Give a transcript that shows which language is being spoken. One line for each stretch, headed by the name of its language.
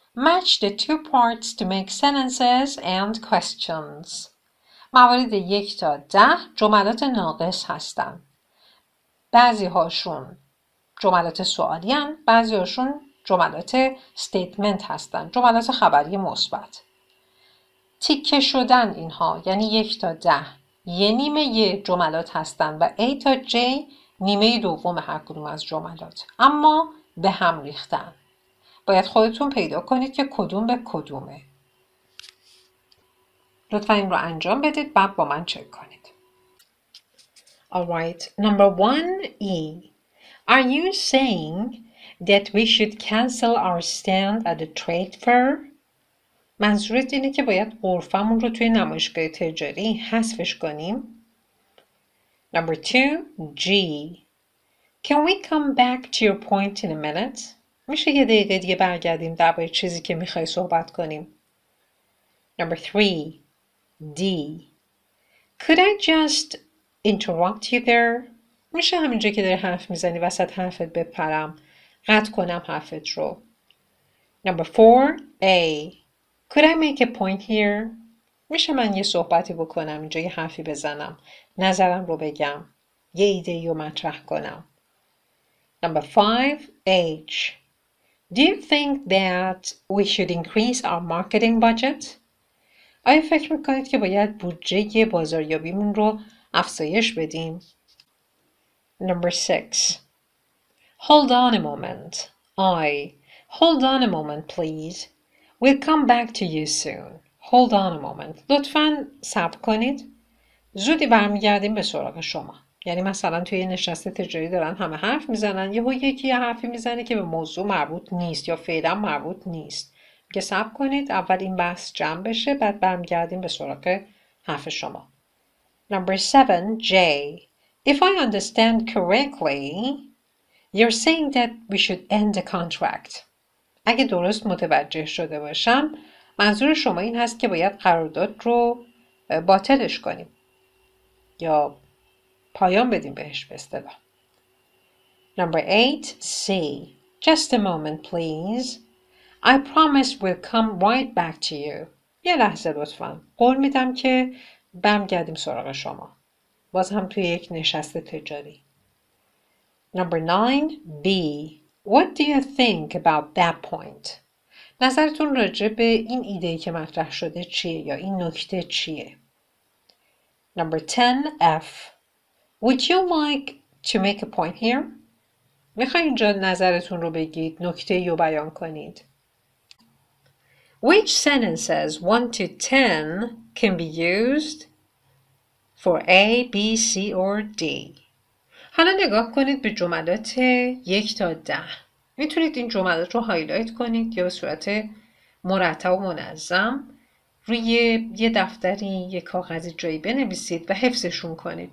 English: Match the two parts to make sentences and questions.
Persian: موارد 1 تا 10 جملات ناقص هستن. بعضی هاشون جملات سوالی هن، بعضی هاشون جملات statement هستن، جملات خبری مثبت. تیکه شدن اینها یعنی 1 تا 10 یه نیمه یه جملات هستن و A تا J نیمه دوم هر کدوم از جملات، اما به هم ریختن. باید خودتون پیدا کنید که کدوم به کدومه. لطفا این رو انجام بدید بعد با من چک کنید.
English: Alright, number 1E. Are you saying that we should cancel our stand at the trade fair?
Persian: منظورت اینه که باید غرفمون رو توی نمایشگاه تجاری حذفش کنیم؟
English: Number 2G. Can we come back to your point in a minute?
Persian: میشه یه دقیقه دیگه برگردیم درباره چیزی که میخوای صحبت کنیم.
English: Number 3D. Could I just interrupt you there?
Persian: میشه همینجا که داری حرف میزنی وسط حرفت بپرم، قطع کنم حرفت رو.
English: Number 4A. Could I make a point here?
Persian: میشه من یه صحبتی بکنم اینجا، یه حرفی بزنم، نظرم رو بگم، یه ایده رو مطرح کنم.
English: Number 5H. Do you think that we should increase our marketing budget?
Persian: آیا فکر میکنید که باید بودجه بازاریابیمون رو افزایش بدیم؟
English: Number 6. Hold on a moment. Hold on a moment, please. We'll come back to you soon. Hold on a moment.
Persian: لطفاً صبر کنید. زودی برمیگردیم به سراغ شما. یعنی مثلا توی یه نشست تجاری دارن همه حرف میزنن، یه هایی یکی یه حرفی میزنه که به موضوع مربوط نیست یا فعلا مربوط نیست. میگه صبر کنید اول این بحث جمع بشه بعد برمیگردیم به سراغ حرف شما.
English: Number 7J. If I understand correctly, you're saying that we should end the contract.
Persian: اگه درست متوجه شده باشم، منظور شما این هست که باید قرارداد رو باطلش کنیم یا پایان بدیم بهش به اصطلاح.
English: Number 8C. Just a moment, please. I promise we'll come right back to you.
Persian: یه لحظه لطفاً. قول میدم که برمیگردیم سراغ شما. باز هم توی یک نشست تجاری.
English: Number 9B. What do you think about that point?
Persian: نظرتون راجع به این ایده ای که مطرح شده چیه یا این نکته چیه؟
English: Number 10F. Would you like to make a point here?
Persian: میخوای اینجا نظرتون رو بگید، نکته یو بیان کنید.
English: Which sentences 1 to 10 can be used for A, B, C or D?
Persian: حالا نگاه کنید به جملات 1 تا 10. میتونید این جملات رو هایلایت کنید یا به صورت مرتب و منظم روی یه دفتری یه کاغذی جایی بنویسید و حفظشون کنید.